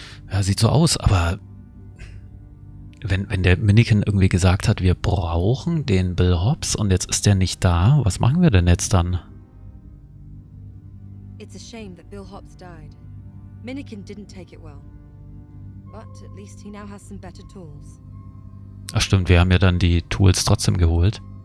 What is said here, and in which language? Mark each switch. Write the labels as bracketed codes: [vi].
[de] Ja, sieht so aus, aber wenn der Minikin irgendwie gesagt hat, wir brauchen den Bill Hobbs und jetzt ist der nicht da, was machen wir denn jetzt dann? [en] It's a shame that Bill Hobbs died. Minikin didn't take it well. But at least he now has some better tools. [de] Ach stimmt, wir haben ja dann die Tools trotzdem geholt.